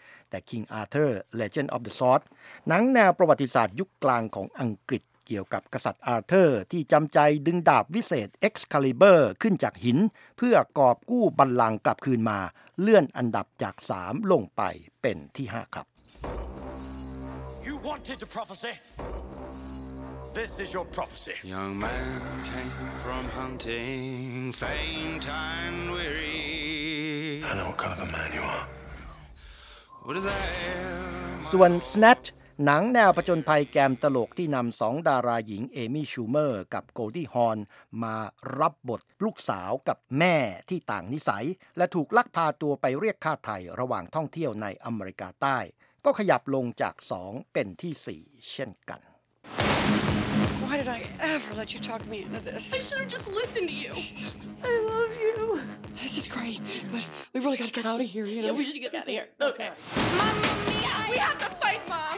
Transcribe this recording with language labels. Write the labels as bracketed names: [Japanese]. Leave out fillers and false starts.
[Thai] แต่ King Arthur Legend of the Sword หนังแนวประวัติศาสตร์ยุคกลางของอังกฤษเกี่ยวกับกษัตริย์อาร์เธอร์ที่จำใจดึงดาบวิเศษ Excalibur ขึ้นจากหินเพื่อกอบกู้บัลลังก์กลับคืนมาเลื่อนอันดับจาก3ลงไปเป็นที่5ครับ [English] You wanted a prophecy. This is your prophecy. Young man came from hunting, faint and weary. I know what kind of a man you are. What is that? [Thai] ส่วน Snatchหนังแนวผจญภัยแกมตลกที่นำสองดาราหญิงเอมี่ชูเมอร์กับโกลดี้ฮอร์นมารับบทลูกสาวกับแม่ที่ต่างนิสัยและถูกลักพาตัวไปเรียกค่าไทยระหว่างท่องเที่ยวในอเมริกาใต้ก็ขยับลงจาก2เป็นที่4เช่นกัน [English] Why did I ever let you talk me into this? I should have just listened to you. I love you. This is great, but we really gotta get out of here, you know? Yeah, we just gotta get out of here. Okay. Mama mia, we have to fight, Mom.